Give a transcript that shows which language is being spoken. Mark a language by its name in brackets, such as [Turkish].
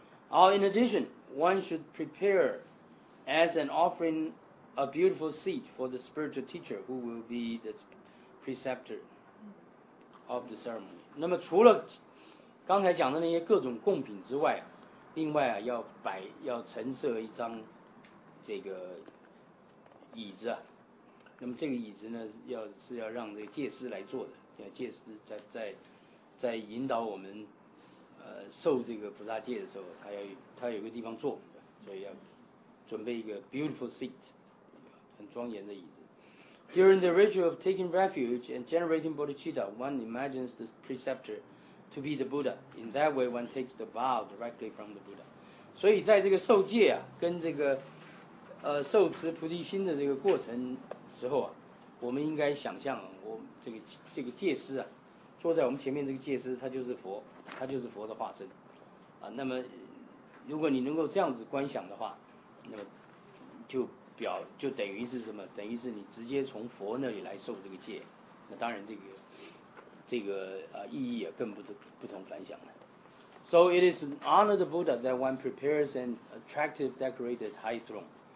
[English] All in addition, one should prepare as an offering a beautiful seat for the spiritual teacher who will be the preceptor of the ceremony. [Chinese] 那么除了刚才讲的那些各种贡品之外、啊、另外、啊、要陈设一张这个椅子、啊、那么这个椅子呢是要让这个戒师来做的，戒师在引导我们受这个菩萨戒的时候，他有个地方坐，所以要准备一个 [English] beautiful seat， [Chinese] 很庄严的椅子。 [English] During the ritual of taking refuge and generating bodhicitta, one imagines the preceptor to be the Buddha. In that way, one takes the vow directly from the Buddha. [Chinese] 所以在这个受戒啊，跟这个受持菩提心的这个过程时候啊，我们应该想象我这个戒师啊，坐在我们前面这个戒师，他就是佛，他就是佛的化身啊。那么如果你能够这样子观想的话，那么就等于是什么？等于是你直接从佛那里来受这个戒，那当然这个意义也更不同凡响了。 [English] So it is an honor the Buddha that one prepares an attractive decorated high throne.